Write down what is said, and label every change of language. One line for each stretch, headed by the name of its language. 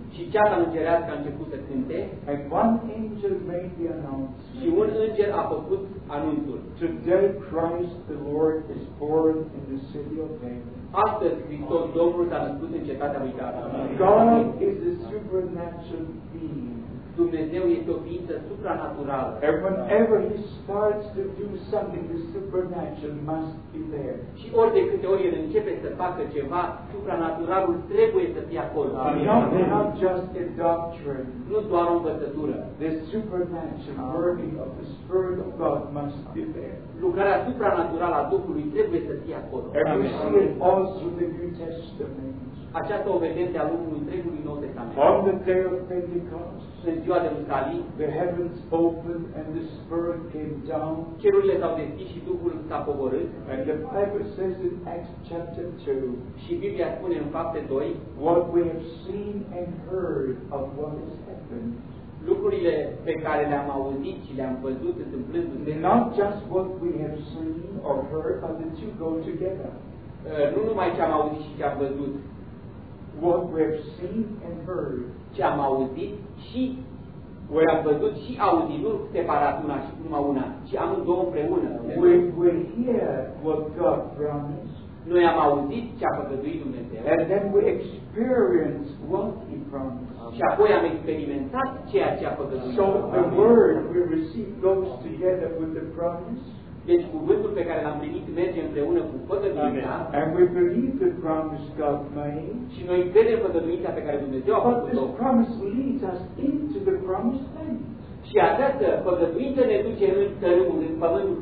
Romanian: Și ceata îngerească a început să cânte.
English: And one angel made the announcement.
Romanian: Și un înger a făcut anunțul.
English: Today Christ the Lord is born in the city of David.
Romanian: Astăzi Hristos Domnul s-a născut în cetatea lui David.
English: God is a supernatural being.
Romanian: Dumnezeu este o ființă supranaturală.
English: And whenever he starts to do something, the supernatural must be there.
Romanian: Și ori de câte ori el începe să facă ceva, supranaturalul trebuie să fie acolo.
English: Not just a doctrine.
Romanian: Nu doar o învățătură.
English: The supernatural working of the Spirit of God must be there.
Romanian: Lucrarea supranaturală a Duhului trebuie să fie acolo.
English: And we see it all through the New Testament.
Romanian: Aceasta o vedem de-a lungul întregului Nou Testament.
English: On the day of Pentecost,
Romanian: în ziua de Lucali,
English: the heavens opened and the Spirit came down.
Romanian: Cerurile s-au deschis și Duhul s-a coborât.
English: And the Bible says in Acts chapter 2.
Romanian: Și Biblia spune în Fapte 2.
English: What we have seen and heard of what has happened.
Romanian: Lucrurile pe care le-am auzit și le-am văzut întâmplându-se.
English: Not just what we have seen or heard, but the two go together.
Romanian: Nu numai ce am auzit și ce am văzut.
English: What we've seen and heard.
Romanian: Ce am auzit și ce am văzut și auzit, nu separat una și numai una, ci amândouă împreună.
English: We hear what God promised.
Romanian: Noi am auzit ce a făgăduit Dumnezeu.
English: And then we experience what He promised.
Romanian: Și apoi am experimentat ceea ce a făgăduit.
English: So the word we receive goes together with the promise.
Romanian: Deci cuvântul pe care l-am primit merge împreună cu făgăduința.
English: And we believe the promise God made.
Romanian: Și noi credem făgăduința pe care Dumnezeu a făcut-o.
English: But this promise leads us into the promised land.
Romanian: Și această făgăduință ne duce în tărâmul, în pământul